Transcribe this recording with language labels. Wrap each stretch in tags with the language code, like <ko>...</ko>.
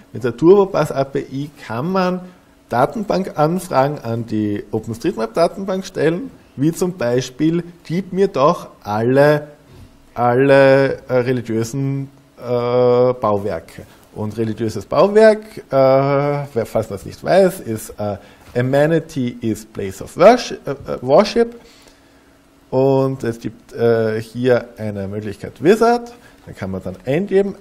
<de>Mit der TurboPass-API kann man Datenbankanfragen an die OpenStreetMap-Datenbank stellen, wie zum Beispiel, gib mir doch alle religiösen Bauwerke. Und religiöses Bauwerk, falls man es nicht weiß, ist</de> <en>Amenity is place of worship.</en> <de>Und es gibt hier eine Möglichkeit Wizard. Da kann man dann eingeben.</de>